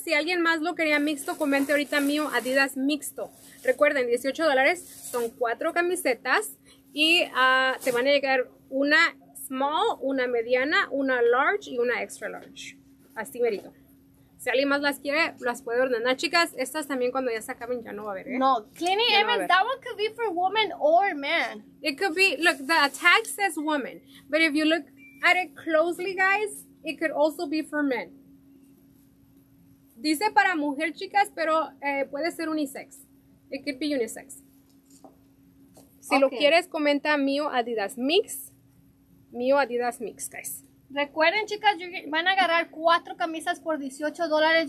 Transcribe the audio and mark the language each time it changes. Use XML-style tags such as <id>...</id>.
<es>Si alguien más lo quería mixto, comente ahorita mío Adidas mixto. Recuerden, $18 son 4 camisetas y te van a llegar una small, una mediana, una large y una extra large. Así merito. Si alguien más las quiere, las puede ordenar. Chicas, estas también cuando ya se acaben ya no va a haber, ¿eh?</es> <en>No, Clinny Evans, that one could be for woman or man. It could be, look, the tag says woman. But if you look at it closely, guys, it could also be for men.</en> <es>Dice para mujer, chicas, pero puede ser unisex.</es> <en>It could be unisex.</en> <es>Si okay. Lo quieres, comenta mío Adidas Mix. Mío Adidas Mix, guys. Recuerden, chicas, van a agarrar 4 camisas por $18.</es>